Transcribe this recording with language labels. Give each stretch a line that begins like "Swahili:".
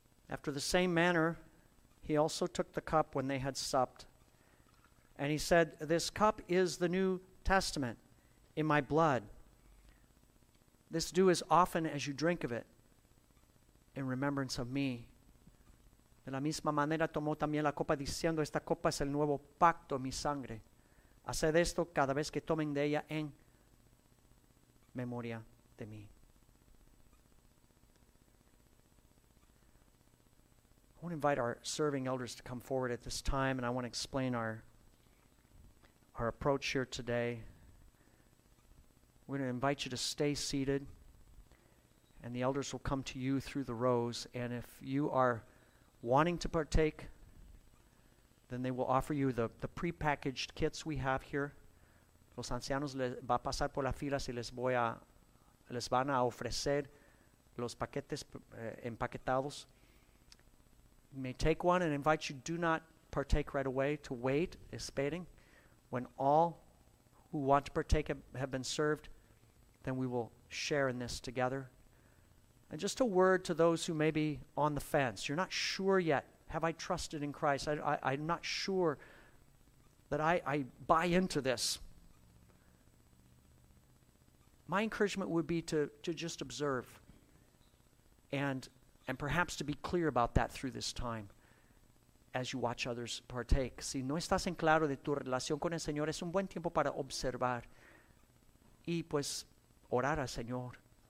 English: After the same manner, he also took the cup when they had supped. And he said, "This cup is the New Testament in my blood. This do as often as you drink of it in remembrance of me."
Spanish: De la misma manera tomó también la copa diciendo, "Esta copa es el nuevo pacto, mi sangre. Haced esto cada vez que tomen de ella en memoria de mí."
English: I want to invite our serving elders to come forward at this time, and I want to explain our approach here today. We're going to invite you to stay seated, and the elders will come to you through the rows. And if you are wanting to partake, then they will offer you the prepackaged kits we have here.
Spanish: Los ancianos les va a pasar por las filas y les van a ofrecer los paquetes empaquetados.
English: You may take one and invite you, do not partake right away, to wait,
Spanish: esperen.
English: When all who want to partake have been served, then we will share in this together. And just a word to those who may be on the fence. You're not sure yet. Have I trusted in Christ? I'm not sure that I buy into this. My encouragement would be to just observe and perhaps to be clear about that through this time as you watch others partake.
Spanish: Si no estás en claro de tu relación con el Señor, es un buen tiempo para observar y pues orar al Señor.